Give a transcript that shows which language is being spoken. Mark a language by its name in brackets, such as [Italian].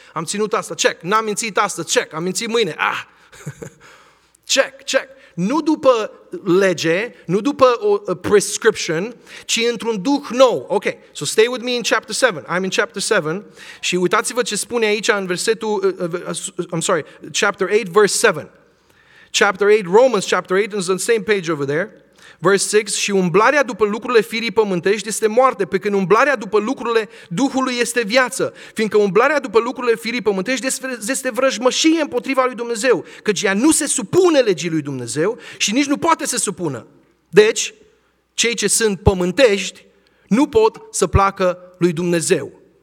[Romanian] Am ținut asta, check. N-am mințit asta, check. Am mințit mâine, ah. Check, check. Nu după lege, nu după o prescription, ci într-un duh nou. [English] Ok, so stay with me in chapter 7. I'm in chapter 7. [Romanian] Și uitați-vă ce spune aici în versetul, [English] chapter 8, verse 7. Chapter 8, Romans chapter 8, is on the same page over there. [Romanian] Verse 6, și umblarea după lucrurile firii pământești este moarte, pe când umblarea după lucrurile Duhului este viață, fiindcă umblarea după lucrurile firii pământești este vrăjmășie împotriva lui Dumnezeu, căci ea nu se supune legii lui Dumnezeu și nici nu poate să supună. Deci, cei ce sunt pământești nu pot să placă lui Dumnezeu.